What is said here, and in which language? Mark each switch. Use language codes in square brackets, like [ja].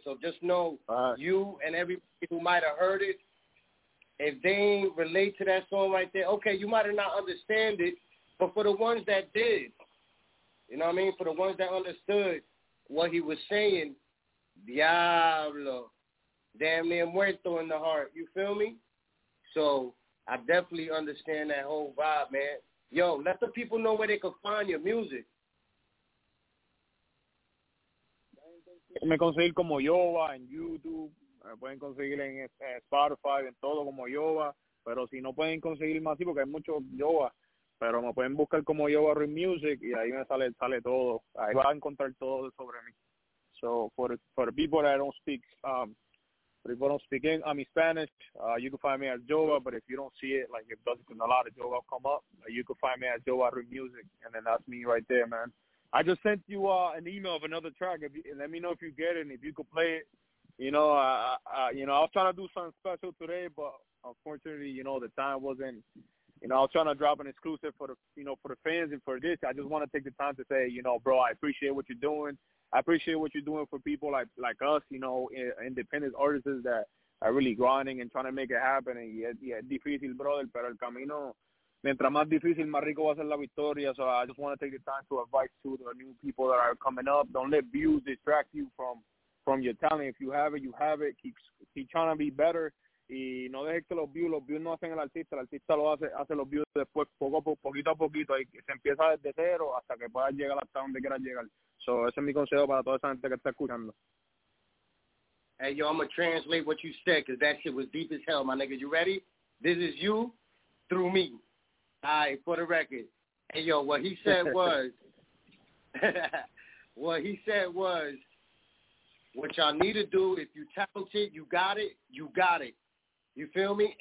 [en] So just know you and everybody who might have heard it, if they ain't relate to that song right there, okay, you might not understand it, but for the ones that did, you know what I mean? For the ones that understood what he was saying, diablo, damn near muerto in the heart. You feel me? So I definitely understand that whole vibe, man. Yo, let the people know where they can find your music. [es] Me conseguir como Yova en YouTube. Me pueden conseguir en Spotify, en todo como Yova. Pero si no pueden conseguir más, sí, porque hay muchos Yova. Pero me pueden buscar como yo Barry Music y ahí me sale todo. Ahí va a encontrar todo sobre mí. [en] So for people that don't speak I mean Spanish, you can find me at Jova, but if you don't see it, like if doesn't a lot of Jova come up, you can find me at Jova Barry Music, and then that's me right there, man. I just sent you an email of another track. Let me know if you get it and if you could play it. You know, I was trying to do something special today, but unfortunately, you know, the time wasn't. You know, I was trying to drop an exclusive for the fans and for this. I just want to take the time to say, you know, bro, I appreciate what you're doing. I appreciate what you're doing for people like us, you know, independent artists that are really grinding and trying to make it happen. And yeah, [es] difícil, brother, pero el camino, mientras más difícil, más rico va a ser la victoria. [en] So I just want to take the time to advise to the new people that are coming up. Don't let views distract you from your talent. If you have it, you have it. Keep trying to be better. [es] y no dejes que los views no hacen el artista lo hace, hace los views después, poco a poco, poquito a poquito, y se empieza desde cero hasta que puedas llegar hasta donde quieras llegar. So, ese es mi consejo para toda esa gente que está escuchando. [en] Hey, yo, I'm going to translate what you said, because that shit was deep as hell, my nigga. You ready? This is you through me. All right, for the record. Hey, yo, what he said was, what he said was, what y'all need to do, if you talented, you got it, you got it. You feel me?